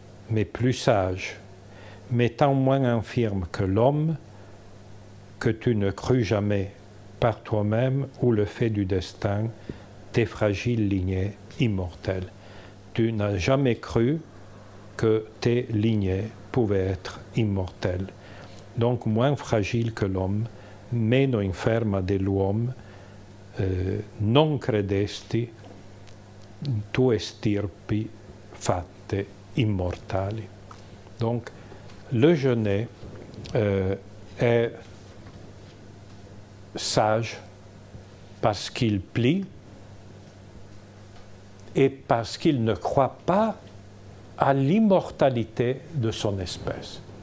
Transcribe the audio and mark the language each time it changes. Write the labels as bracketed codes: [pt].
[fr] Mais plus sage, mais tant moins infirme que l'homme, que tu ne crus jamais par toi-même ou le fait du destin, tes fragiles lignées immortelles. Tu n'as jamais cru que tes lignées pouvaient être immortelles. Donc moins fragile que l'homme, [it] meno inferma dell'uomo, non credesti tue stirpi fatte immortali. [fr] Donc le genêt est sage parce qu'il plie et parce qu'il ne croit pas à l'immortalité de son espèce.